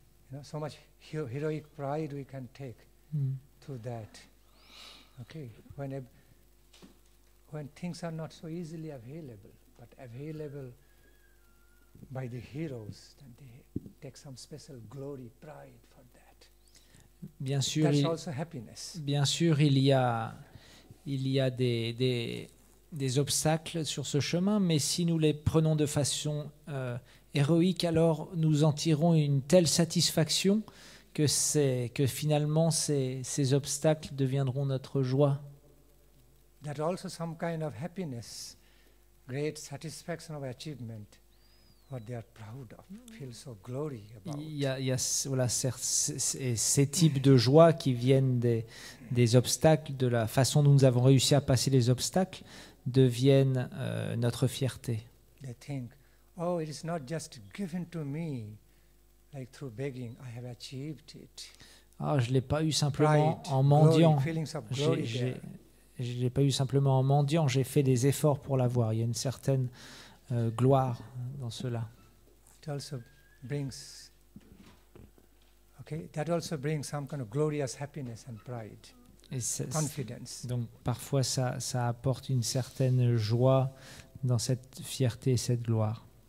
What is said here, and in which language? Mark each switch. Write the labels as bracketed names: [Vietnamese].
[English] You know, so much heroic pride we can take. That, okay, when things are not so easily available, but available by the heroes, then they take some special glory, pride for that. [French] Bien sûr, [English] that's also happiness. [French] Bien sûr, il y a des obstacles sur ce chemin, mais si nous les prenons de façon héroïque, alors nous en tirons une telle satisfaction que finalement ces obstacles deviendront notre joie. [English] That also some kind of happiness, great satisfaction of achievement, what they are proud of, feel so glory about. [French] Il y a ces types de joie qui viennent des obstacles, de la façon dont nous avons réussi à passer les obstacles, deviennent notre fierté. [English] They think, oh, it is not just given to me. Like through begging, I have achieved it. [French] Ah, je l'ai pas eu simplement en mendiant. [English] Glory, feelings of glory there. [French] Je l'ai pas eu simplement en mendiant. J'ai fait des efforts pour l'avoir. Il y a une certaine gloire dans cela. [English] It also brings, okay, that also brings some kind of glorious happiness and pride, [French] et [English] confidence. [French] Donc parfois ça apporte une certaine joie dans cette fierté et cette gloire.